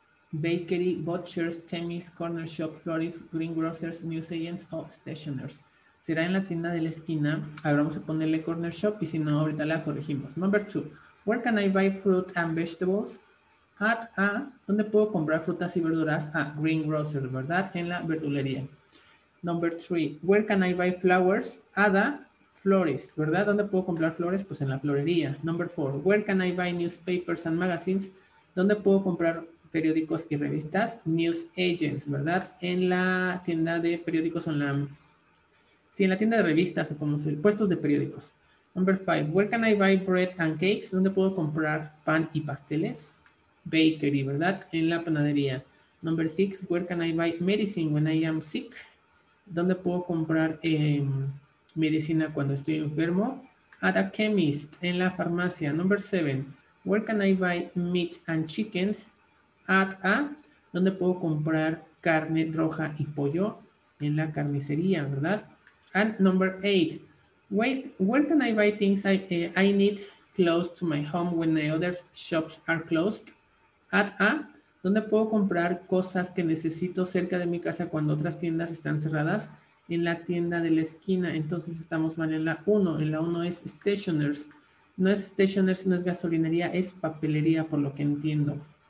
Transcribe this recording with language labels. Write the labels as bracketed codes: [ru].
[en] Bakery, butchers, chemist, corner shop, florist, greengrocers, news agents o stationers. [es] Será en la tienda de la esquina. Ahora vamos a ponerle corner shop y si no, ahorita la corregimos. [en] Number two, where can I buy fruit and vegetables? At a, [es] ¿dónde puedo comprar frutas y verduras? [en] A greengrocer, [es] ¿verdad? En la verdulería. [en] Number three, where can I buy flowers? [es] Ada, florist, ¿verdad? ¿Dónde puedo comprar flores? Pues en la florería. [en] Number four, where can I buy newspapers and magazines? [es] ¿Dónde puedo comprar periódicos y revistas? News agents, ¿verdad? En la tienda de periódicos o en la... Sí, en la tienda de revistas o como se dice, puestos de periódicos. [en] Number five, where can I buy bread and cakes? [es] ¿Dónde puedo comprar pan y pasteles? [en] Bakery, [es] ¿verdad? En la panadería. [en] Number six, where can I buy medicine when I am sick? [es] ¿Dónde puedo comprar medicina cuando estoy enfermo? [en] At a chemist, [es] en la farmacia. [en] Number seven, where can I buy meat and chicken? At a, [es] ¿dónde puedo comprar carne roja y pollo? En la carnicería, ¿verdad? [en] And number eight, where can I buy things I need close to my home when the other shops are closed? At a, [es] ¿dónde puedo comprar cosas que necesito cerca de mi casa cuando otras tiendas están cerradas? En la tienda de la esquina. Entonces estamos mal en la 1. En la 1 es stationers. No es stationers, no es gasolinería, es papelería por lo que entiendo.